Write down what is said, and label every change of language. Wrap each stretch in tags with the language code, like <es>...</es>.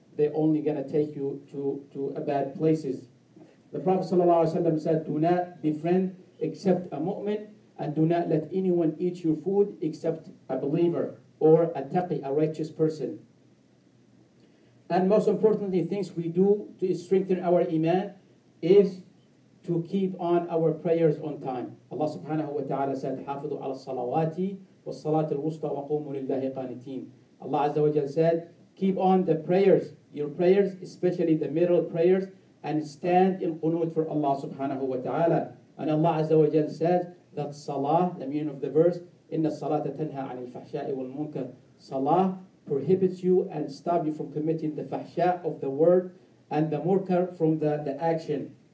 <en>they're only going to take you to a bad places. The Prophet said, do not befriend except a mu'min, and do not let anyone eat your food except a believer or a taqi, a righteous person. And most importantly, things we do to strengthen our iman is to keep on our prayers on time. Allah subhanahu wa ta'ala said,</en> <ar>حافظوا على الصلوات والصلاة الوسطى وقوموا لله قانتين.</ar> <en>Allah azza wa jal said, keep on the prayers, your prayers, especially the middle prayers, and stand in qunut for Allah subhanahu wa ta'ala. And Allah azza wa jal said, that salah, the meaning of the verse,</en> <ar>إن الصلاة تنهى عن الفحشاء والمنكر.</ar> <en>Salah prohibits you and stops you from committing the فحشاء of the word and the munkar from the action.</en>